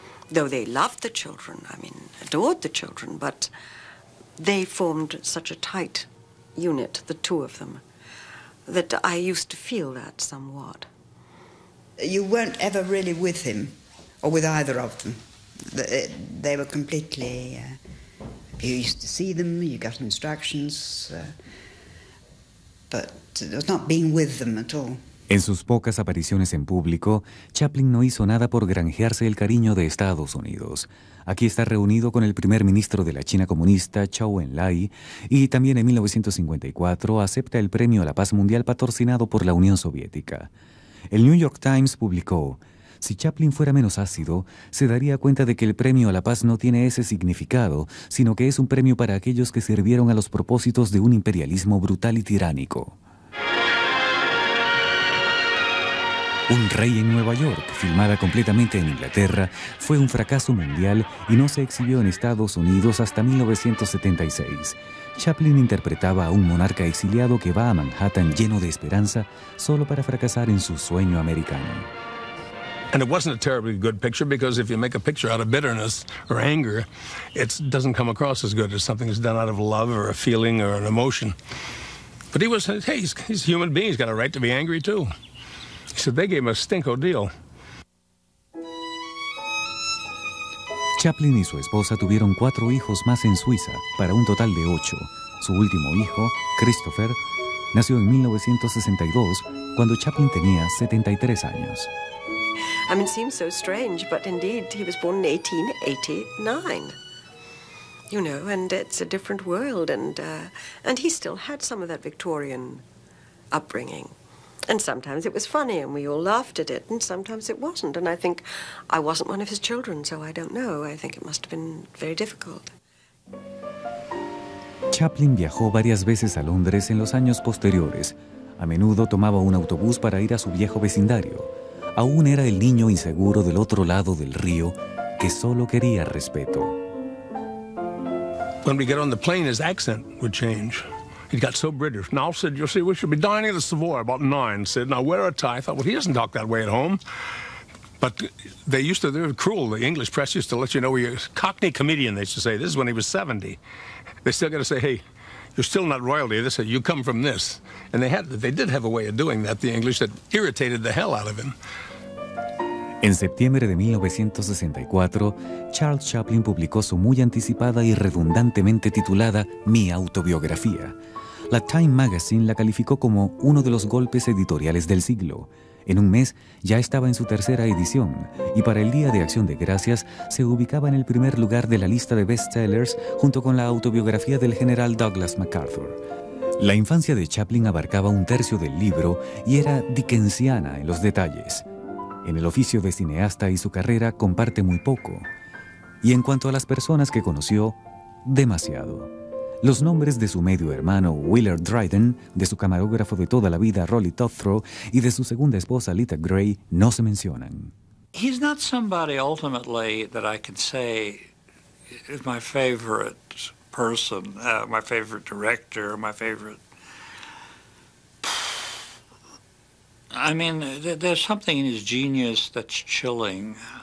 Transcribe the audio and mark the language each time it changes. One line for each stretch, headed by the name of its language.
English: Though they loved the children, I mean, adored the children, but they formed such a tight unit, the two of them, that I used to feel that somewhat. You weren't ever really with him, or with either of them. They were completely... you used to see them, you got instructions, but it was not being with them at all.
Spanish: En sus pocas apariciones en público, Chaplin no hizo nada por granjearse el cariño de Estados Unidos. Aquí está reunido con el primer ministro de la China comunista, Chou Enlai, y también en 1954 acepta el premio a la paz mundial patrocinado por la Unión Soviética. El New York Times publicó, si Chaplin fuera menos ácido, se daría cuenta de que el premio a la paz no tiene ese significado, sino que es un premio para aquellos que sirvieron a los propósitos de un imperialismo brutal y tiránico. Un rey en Nueva York, filmada completamente en Inglaterra, fue un fracaso mundial y no se exhibió en Estados Unidos hasta 1976. Chaplin interpretaba a un monarca exiliado que va a Manhattan lleno de esperanza solo para fracasar en su sueño americano.
English: And it wasn't a terribly good picture because if you make a picture out of bitterness or anger, it doesn't come across as good as something that's done out of love or a feeling or an emotion. But he was, hey, he's a human being, he's got a right to be angry too. He said they gave him a stinko deal.
Spanish: Chaplin y su esposa tuvieron 4 hijos más en Suiza, para un total de 8. Su último hijo, Christopher, nació en 1962, cuando Chaplin tenía 73 años.
English: I mean, it seems so strange, but indeed, he was born in 1889. You know, and it's a different world, and he still had some of that Victorian upbringing. And sometimes it was funny and we all laughed at it, and sometimes it wasn't. And I think I wasn't one of his children, so I don't know. I think it must have been very difficult.
Spanish: Chaplin viajó varias veces a Londres en los años posteriores. A menudo tomaba un autobús para ir a su viejo vecindario. Aún era el niño inseguro del otro lado del río que solo quería respeto.
English: When we get on the plane, his accent would change. He got so British. Now, Sid, you see, we should be dining at the Savoy about 9, Sid. Now, wear a tie. I thought, well, he doesn't talk that way at home. But they used to, they were cruel. The English press used to let you know where you're a Cockney comedian, they used to say. This is when he was 70. They still got to say, hey, you're still not royalty. They said, you come from this. And they did have a way of doing that, the English, that irritated the hell out of him.
Spanish: En septiembre de 1964, Charles Chaplin publicó su muy anticipada y redundantemente titulada Mi autobiografía. La Time Magazine la calificó como uno de los golpes editoriales del siglo. En un mes ya estaba en su tercera edición y para el Día de Acción de Gracias se ubicaba en el primer lugar de la lista de bestsellers junto con la autobiografía del general Douglas MacArthur. La infancia de Chaplin abarcaba un tercio del libro y era dickensiana en los detalles. En el oficio de cineasta y su carrera comparte muy poco. Y en cuanto a las personas que conoció, demasiado. Los nombres de su medio hermano Willard Dryden, de su camarógrafo de toda la vida Rolly Tuthrow y de su segunda esposa Lita Gray no se mencionan.
English: He's not somebody ultimately that I can say is my favorite person, my favorite director, my favorite. I mean, there's something in his genius that's chilling.